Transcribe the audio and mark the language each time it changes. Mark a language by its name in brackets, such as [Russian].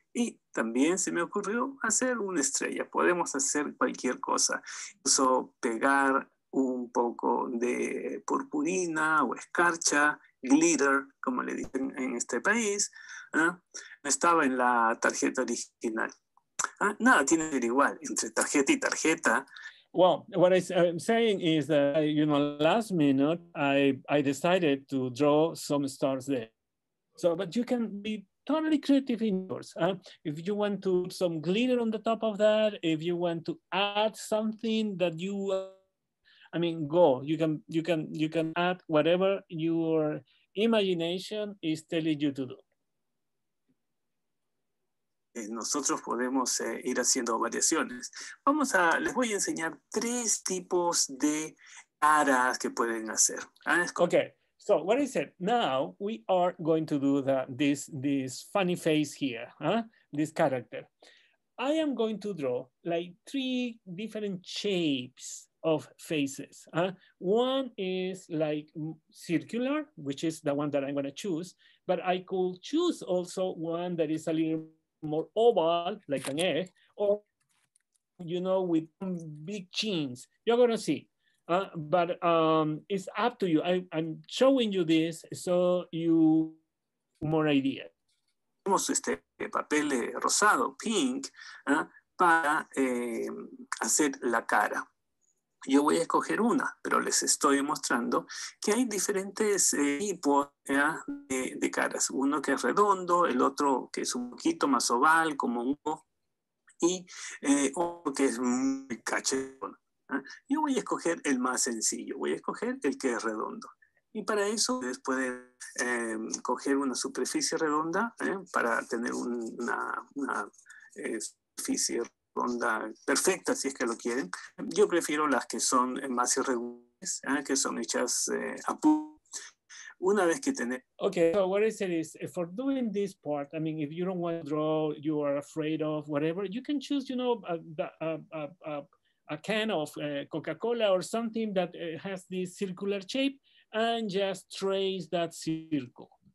[Spanish] Y también se me ocurrió hacer una estrella. Podemos hacer cualquier cosa. Incluso pegar un poco de purpurina o escarcha, glitter, como le dicen en este país, estaba en la tarjeta original. Nada tiene que ver igual entre tarjeta y tarjeta. [English] Well, what I'm saying is that, you know, last minute, I decided to draw some stars there. So, but you can be totally creative in yours. If you want to put some glitter on the top of that, if you want to add something that you, I mean, go. You can add whatever your imagination is telling you to do. [Spanish] Nosotros podemos ir haciendo variaciones. Vamos a, les voy a enseñar tres tipos de caras que pueden hacer. [English] Okay, so what I said, now we are going to do this funny face here, this character. I am going to draw like three different shapes of faces. One is like circular, which is the one that I'm going to choose, but I could choose also one that is a little more oval, like an egg, or, you know, with big chins. You're gonna see, but it's up to you. I'm showing you this so you more idea. [Spanish] Tenemos este papel rosado, pink, para hacer la cara. Yo voy a escoger una, pero les estoy mostrando que hay diferentes tipos de caras. Uno que es redondo, el otro que es un poquito más oval, como un ojo, y otro que es muy cachetón. Yo voy a escoger el más sencillo, voy a escoger el que es redondo. Y para eso, ustedes pueden coger una superficie redonda para tener una superficie redonda. Onda perfecta, si es que lo quieren. Yo prefiero las que son más irregulares, que son hechas a punto. Una vez que tener. [English] Okay, so what I said is, for doing this part, I mean, if you don't want to draw, you are afraid of whatever, you can choose, you know, a can of Coca-Cola or something that has this circular shape and just trace that circle.